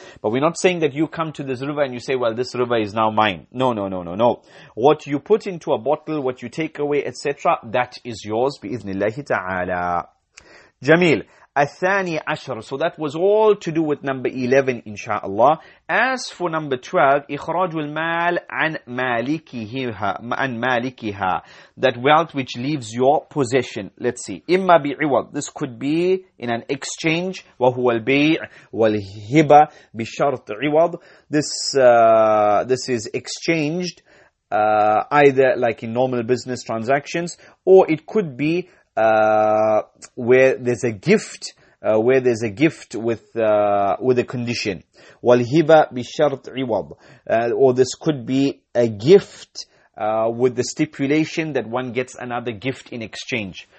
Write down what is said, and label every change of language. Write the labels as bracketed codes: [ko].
[en] But we're not saying that you come to this river and you say, well, this river is now mine. No. What you put into a bottle, what you take away, etc., that is yours, bi-ithnillahi ta'ala. [ar] Jameel. الثاني عشر. [en] So that was all to do with number 11, inshallah. [ar] As for number 12, إخراج المال عن مالكها, عن مالكها. [en] That wealth which leaves your possession. [ar] Let's see. إما بعوض. [en] This could be in an exchange. [ar] وهو البيع والهبة بشرط عوض. [en] This is exchanged either like in normal business transactions, or it could be where there's a gift with a condition. Walhiba bishart iwab. Or this could be a gift with the stipulation that one gets another gift in exchange.